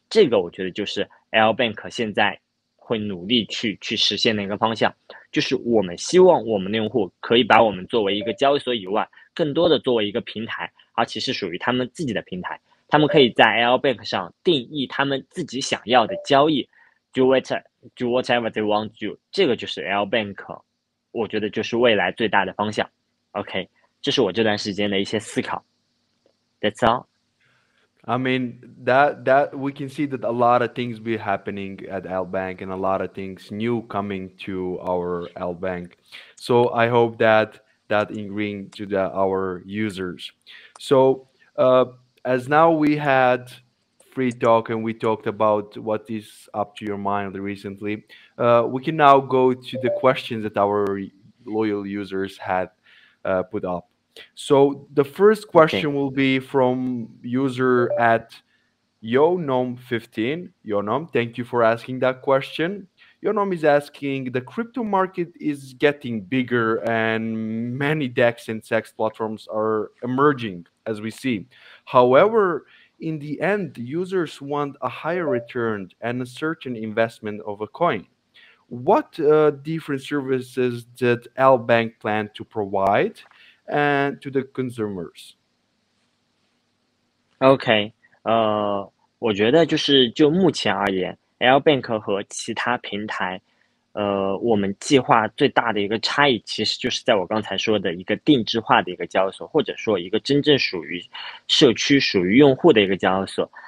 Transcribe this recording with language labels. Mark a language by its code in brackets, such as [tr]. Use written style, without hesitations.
[zh] 这个我觉得就是 LBank 现在会努力去实现的一个方向，就是我们希望我们的用户可以把我们作为一个交易所以外，更多的作为一个平台，而且是属于他们自己的平台。他们可以在 LBank 上定义他们自己想要的交易， [en] do whatever they want to。 [zh] 这个就是 LBank，我觉得就是未来最大的方向。 OK，这是我这段时间的一些思考。 [en] That's all。 I mean that we can see that a lot of things be happening at LBank and a lot of things new coming to our LBank. So I hope that ingrained to our users. So as now we had free talk and we talked about what is up to your mind recently, we can now go to the questions that our loyal users had put up. So the first question Okay. will be from user at Yonom15. Yonom, thank you for asking that question. Yonom is asking, the crypto market is getting bigger and many DEX and SEX platforms are emerging, as we see. However, in the end, users want a higher return and a certain investment of a coin. What different services did LBank plan to provide? And to the consumers. [zh] OK，我觉得就目前而言，LBank 和其他平台，我们计划最大的一个差异，其实就是在我刚才说的一个定制化的一个交易所，或者说一个真正属于社区、属于用户的一个交易所。